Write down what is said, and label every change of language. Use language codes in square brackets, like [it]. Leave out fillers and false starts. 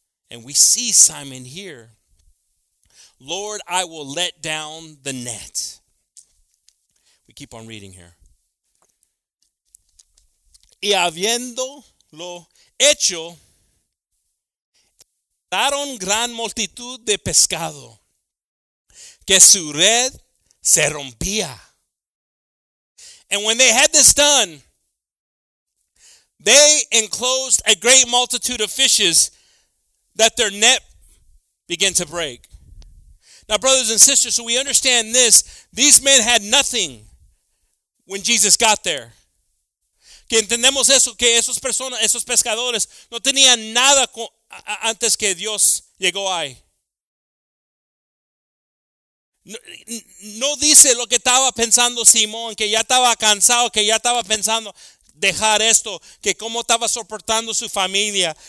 [en] And we see Simon here. Lord, I will let down the net. We keep on reading here. [es] Y habiéndolo hecho, daron gran multitud de pescado, que su red se rompía. [en] And when they had this done, they enclosed a great multitude of fishes that their net began to break. Now, brothers and sisters, so we understand this. These men had nothing when Jesus got there. [es] Que entendemos eso, que esos personas, esos pescadores, no tenían nada antes que Dios llegó ahí. No dice lo que estaba pensando Simón, que ya estaba cansado, que ya estaba pensando dejar esto, que cómo estaba soportando su familia.